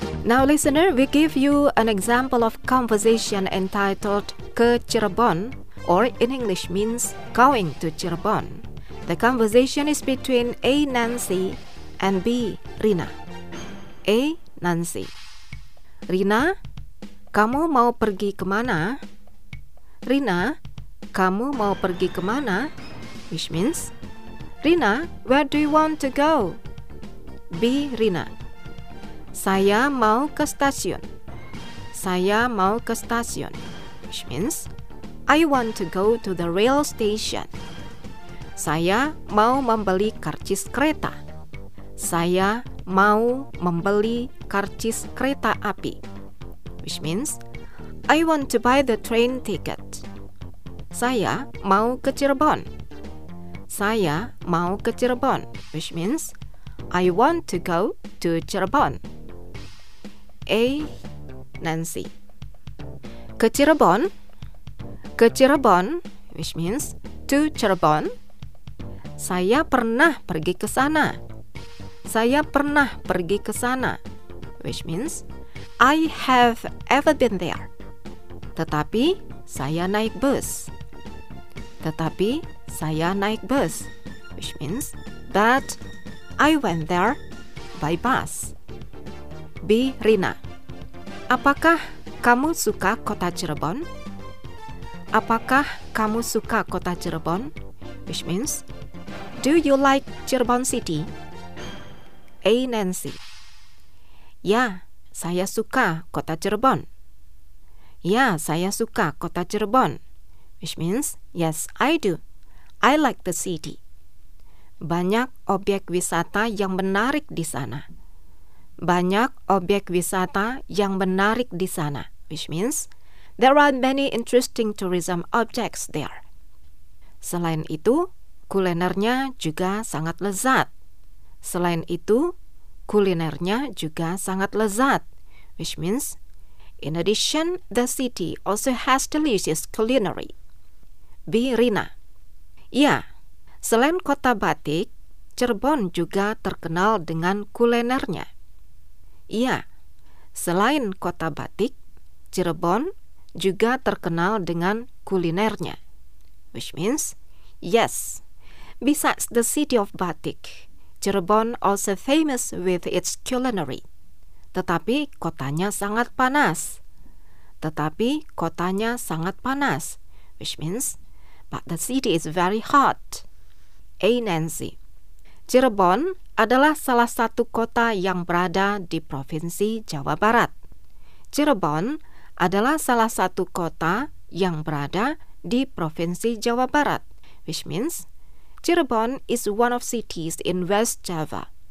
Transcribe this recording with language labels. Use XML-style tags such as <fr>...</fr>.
<en>Now, listener, we give you an example of conversation entitled Ke Cirebon, or in English means going to Cirebon. The conversation is between A. Nancy and B. Rina. A. Nancy.</en> <id>Rina, kamu mau pergi kemana? Rina, kamu mau pergi kemana?</id> <en>Which means, Rina, where do you want to go?</en> <id>B. Rina. Saya mau ke stasiun. Saya mau ke stasiun.</id> <en>Which means, I want to go to the rail station.</en> <id>Saya mau membeli karcis kereta. Saya mau membeli karcis kereta api.</id> <en>Which means, I want to buy the train ticket.</en> <id>Saya mau ke Cirebon. Saya mau ke Cirebon.</id> <en>Which means, I want to go to Cirebon. A. Nancy.</en> <id>Ke Cirebon. Ke Cirebon,</id> <en>which means to Cirebon.</en> <id>Saya pernah pergi ke sana. Saya pernah pergi ke sana,</id> <en>which means I have ever been there.</en> <id>Tetapi saya naik bus. Tetapi saya naik bus,</id> <en>which means that I went there by bus.</en> <id>B. Rina. Apakah kamu suka kota Cirebon? Apakah kamu suka kota Cirebon?</id> <en>Which means, do you like Cirebon City? A. Nancy.</en> <id>Ya, saya suka kota Cirebon. Ya, saya suka kota Cirebon.</id> <en>Which means, yes, I do. I like the city.</en> <id>Banyak objek wisata yang menarik di sana. Banyak objek wisata yang menarik di sana,</id> <en>which means there are many interesting tourism objects there.</en> <id>Selain itu, kulinernya juga sangat lezat. Selain itu, kulinernya juga sangat lezat,</id> <en>which means in addition, the city also has delicious culinary. B. Rina.</en> <id>Ya, selain kota batik, Cirebon juga terkenal dengan kulinernya. Iya, selain kota batik, Cirebon juga terkenal dengan kulinernya.</id> <en>Which means, yes, besides the city of batik, Cirebon also famous with its culinary.</en> <id>Tetapi kotanya sangat panas. Tetapi kotanya sangat panas.</id> <en>Which means, but the city is very hot. A. Nancy.</en> <id>Cirebon adalah salah satu kota yang berada di Provinsi Jawa Barat. Cirebon adalah salah satu kota yang berada di Provinsi Jawa Barat,</id> <en>which means Cirebon is one of cities in West Java.</en>